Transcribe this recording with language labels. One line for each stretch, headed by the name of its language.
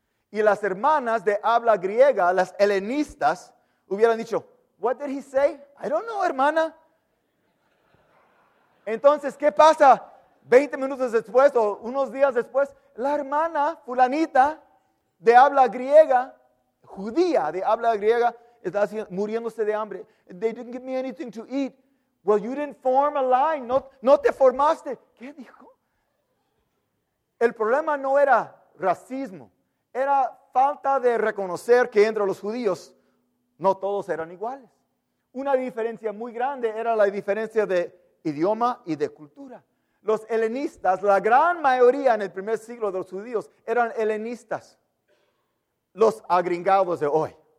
Spanish: Y las hermanas de habla griega, las helenistas, hubieran dicho,
English: what did he say? I don't know,
Spanish: hermana. Entonces, ¿qué pasa? 20 minutos después o unos días después, la hermana fulanita de habla griega, judía de habla griega, está muriéndose de hambre.
English: They didn't give me anything to eat. Well, you didn't form a line.
Spanish: No te formaste. ¿Qué dijo? El problema no era racismo, era falta de reconocer que entre los judíos no todos eran iguales. Una diferencia muy grande era la diferencia de idioma y de cultura. Los helenistas, la gran mayoría en el primer siglo de los judíos, eran helenistas, los agringados de hoy.